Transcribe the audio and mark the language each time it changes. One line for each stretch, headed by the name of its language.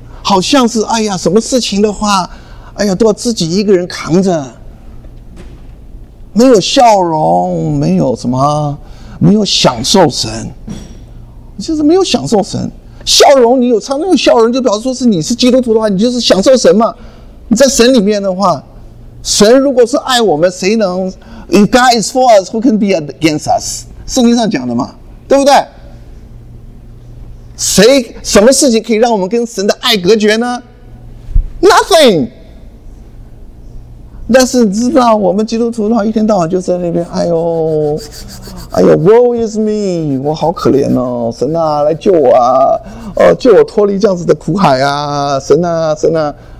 Chinese: 好像是哎呀什么事情的话哎呀都要自己一个人扛着，没有笑容，没有什么，没有享受神，就是没有享受神。笑容你有，常常有笑容就表示说是你是基督徒的话，你就是享受神嘛。你在神里面的话，神如果是爱我们，谁能
English: If God is for us, who can be against us?
Chinese: 圣经上讲的嘛，对不对？谁什么事情可以让我们跟神的爱隔绝呢？
English: Nothing。
Chinese: 但是你知道我们基督徒的话，一天到晚就在那边哎呦哎呦
English: Woe is me，
Chinese: 我好可怜哦，神啊来救我啊，救我脱离这样子的苦海啊，神啊神啊。